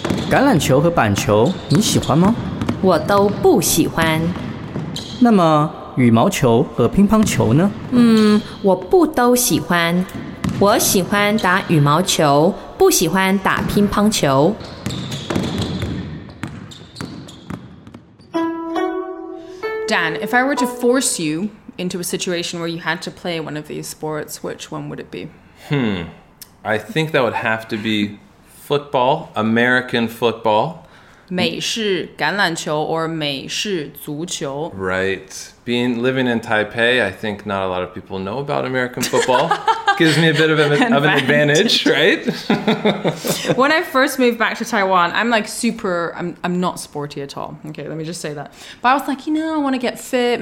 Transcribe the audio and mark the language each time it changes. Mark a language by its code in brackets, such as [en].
[zh] 橄榄球和板球, 你喜欢吗? 我都不喜欢。那么羽毛球和乒乓球呢? 我不都喜欢。我喜欢打羽毛球, 不喜欢打乒乓球。 [en] Dan, if I were to force you into a situation where you had to play one of these sports, which one would it be? I think that would have to be football, American football. [zh] 美式橄榄球 or 美式足球. [en] Right. Living in Taipei, I think not a lot of people know about American football. Gives me a bit of an advantage, right? When I first moved back to Taiwan, I'm not sporty at all. Okay, let me just say that. But I was like, you know, I want to get fit.